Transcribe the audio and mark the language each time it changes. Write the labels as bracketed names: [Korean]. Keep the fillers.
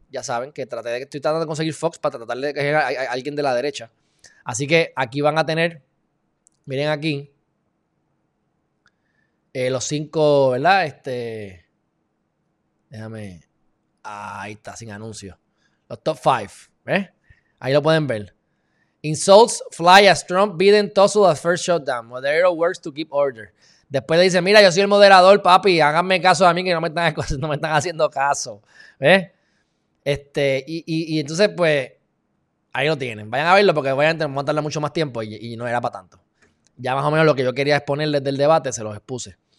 [Spanish] Ya saben que traté de, estoy tratando de conseguir Fox para tratar de que llegue a, a- a alguien de la derecha. Así que aquí van a tener, miren aquí, eh, los cinco, ¿verdad? Este, déjame, ahí está, sin anuncio. Los top five, ¿ves? Ahí lo pueden ver. [English] Insults fly as Trump Biden tussle at first shutdown. Moderator works to keep order. [Spanish] Después le dice, mira, yo soy el moderador, papi, háganme caso a mí que no me están, no me están haciendo caso. ¿Ves? Este, y, y- y entonces, pues, ahí lo tienen. Vayan a verlo porque obviamente vamos a darle mucho más tiempo y, y no era para tanto. Ya más o menos lo que yo quería exponerles del debate se los expuse.